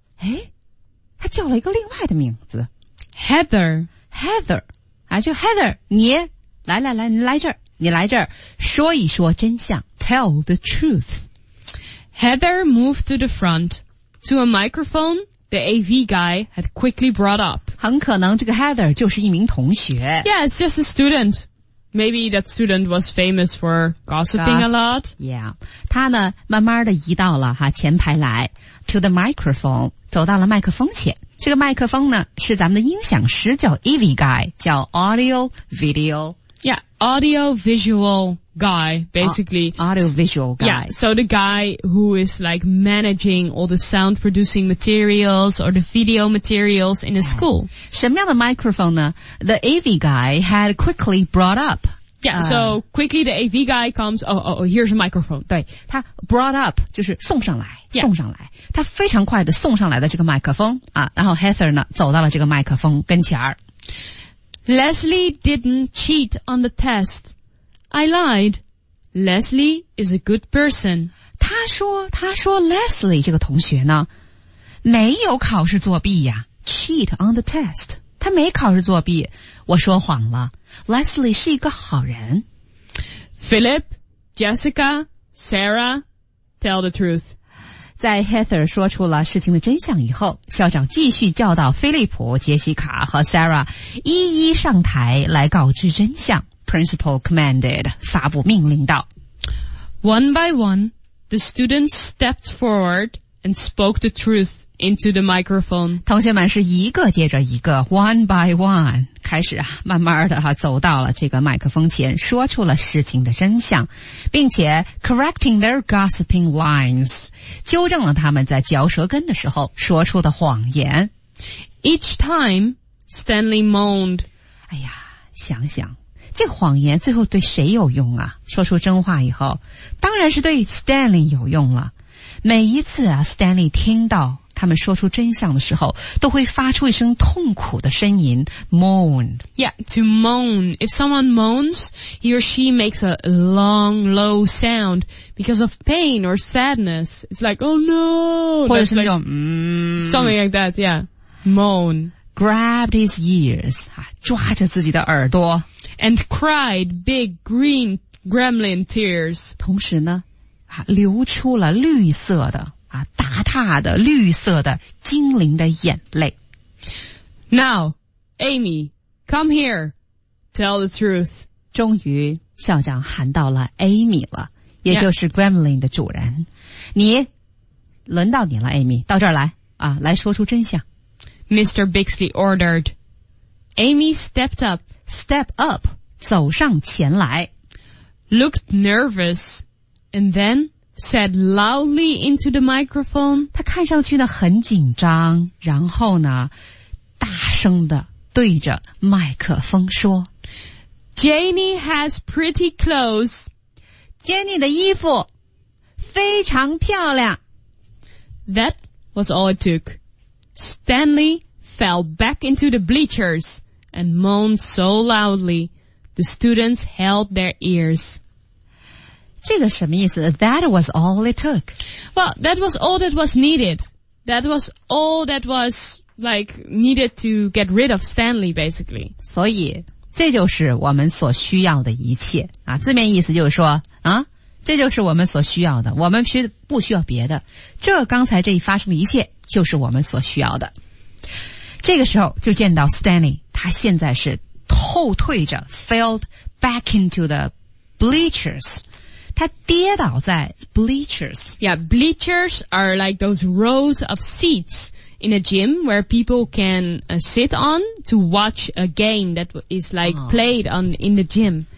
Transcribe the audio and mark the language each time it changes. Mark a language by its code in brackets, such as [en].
[zh] 诶他叫了一个另外的名字。 [en] Heather. Heather. [zh] 啊就 Heather, 你来来来你来这儿你来这儿说一说真相。 [en] Tell the truth. Heather moved to the front, to a microphone the AV guy had quickly brought up. [zh] 很可能这个 Heather 就是一名同学。 [en] Yeah, it's just a student. Maybe that student was famous for gossiping a lot. Yeah. [zh] 他呢慢慢地移到了哈前排来 [en] to the microphone, [zh] 走到了麦克风前。这个麦克风呢是咱们的音响师叫 AV guy, 叫 audio video. [en] Yeah, audio visual guy, basically. Audio visual guy. Yeah, so the guy who is like managing all the sound producing materials or the video materials in a school. [zh] 什么样的 microphone 呢? [en] The AV guy had quickly brought up. Yeah, so quickly the AV guy comes, oh, here's a microphone. [zh] 对,他 brought up, 就是送上来,送上来。他非常快地送上来的这个麦克风,啊,然后 Heather 呢,走到了这个麦克风跟前儿。 [en] Leslie didn't cheat on the test. I lied. Leslie is a good person. [zh] 他说 Leslie 这个同学呢没有考试作弊呀 [en] Cheat on the test. [zh] 他没考试作弊。我说谎了。 Leslie 是一个好人。 [en] Philip, Jessica, Sarah, tell the truth. [zh] 在 Heather 说出了事情的真相以后校长继续叫到菲利普杰西卡和 Sarah 一一上台来告知真相 [en] Principal commanded [zh] 发布命令道 [en] One by one, the students stepped forward and spoke the truth into the microphone. [zh] 同学们是一个接着一个 one by one, 开始啊慢慢的啊走到了这个麦克风前说出了事情的真相并且 [en] correcting their gossiping lines, [zh] 纠正了他们在嚼舌根的时候说出的谎言。 [en] Each time, Stanley moaned. [zh] 哎呀想想这谎言最后对谁有用啊说出真话以后当然是对 Stanley 有用了。每一次啊 Stanley 听到他们说出真相的时候都会发出一声痛苦的呻吟 moan. [en] Yeah, to moan. If someone moans, he or she makes a long, low sound because of pain or sadness. It's like, oh no! [zh] 或者是那种 [en] something like that, yeah. Moan. Grabbed his ears, [zh] 抓着自己的耳朵 [en] and cried big green gremlin tears. [zh] 同时呢流出了绿色的大大的绿色的精灵的眼泪 [en] Now, Amy, come here, tell the truth. [zh] 终于校长喊到了 Amy 了也就是 Gremlin 的主人、yeah. 你轮到你了 Amy 到这儿来来说出真相 [en] Mr. Bixley ordered. Amy stepped up. [zh] Step up, 走上前来 [en] Looked nervous, and thenSaid loudly into the microphone. [zh] 他看上去呢很紧张然后呢大声地对着麦克风说 [en] Jenny has pretty clothes. [zh] Jenny 的衣服非常漂亮。 [en] That was all it took. Stanley fell back into the bleachers and moaned so loudly the students held their ears. [zh] 这个什么意思 [en] That was all it took. Well, that was all that was needed. That was all that was, like, needed to get rid of Stanley, basically. [zh] 所以这就是我们所需要的一切啊，字面意思就是说啊，这就是我们所需要的我们不需要别的这刚才这一发生的一切就是我们所需要的这个时候就见到 Stanley 他现在是后退着 [en] failed back into the bleachers [zh] 他跌倒在 bleachers. [en] Yeah, bleachers are like those rows of seats in a gym where people can sit on to watch a game that is like played on in the gym.